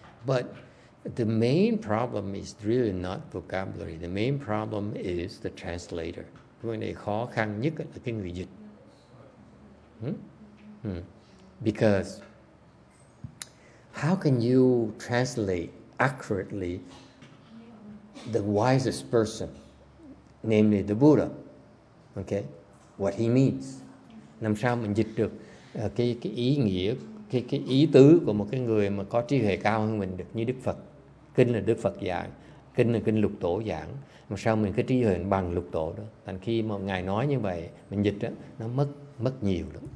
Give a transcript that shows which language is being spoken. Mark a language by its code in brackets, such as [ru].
[en] But the main problem is really not vocabulary. The main problem is the translator. [vi] Vấn đề khó khăn nhất là cái người dịch. [en] Because how can you translate accurately the wisest person, namely the Buddha, okay, what he means? [vi] Làm sao mình dịch được cái ý nghĩa, cái ý tứ của một cái người mà có trí huệ cao hơn mình được như Đức Phật? Kinh là Đức Phật giảng, kinh là kinh Lục Tổ giảng, mà sao mình cái trí huệ bằng Lục Tổ đó? Thành khi mà ngài nói như vậy, mình dịch đó, nó mất nhiều lắm.